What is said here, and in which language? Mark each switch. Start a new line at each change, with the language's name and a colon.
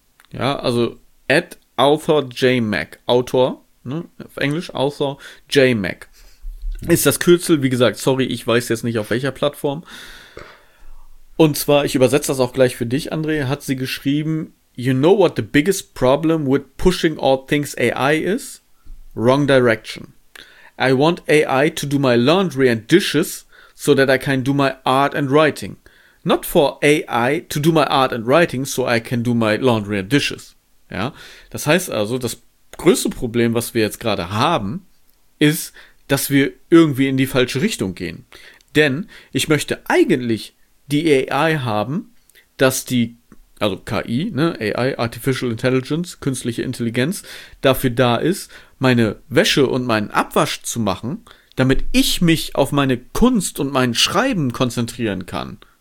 German: Ja, also Author JMac, Autor, ne, auf Englisch Author JMac. Ist das Kürzel, wie gesagt, sorry, ich weiß jetzt nicht auf welcher Plattform. Und zwar, ich übersetze das auch gleich für dich, André, hat sie geschrieben:
English: You know what the biggest problem with pushing all things AI is? Wrong direction. I want AI to do my laundry and dishes so that I can do my art and writing. Not for AI to do my art and writing so I can do my laundry and dishes.
German: Ja, das heißt also, das größte Problem, was wir jetzt gerade haben, ist, dass wir irgendwie in die falsche Richtung gehen. Denn ich möchte eigentlich die AI haben, dass die, also KI, ne, AI, Artificial Intelligence, künstliche Intelligenz, dafür da ist, meine Wäsche und meinen Abwasch zu machen, damit ich mich auf meine Kunst und mein Schreiben konzentrieren kann.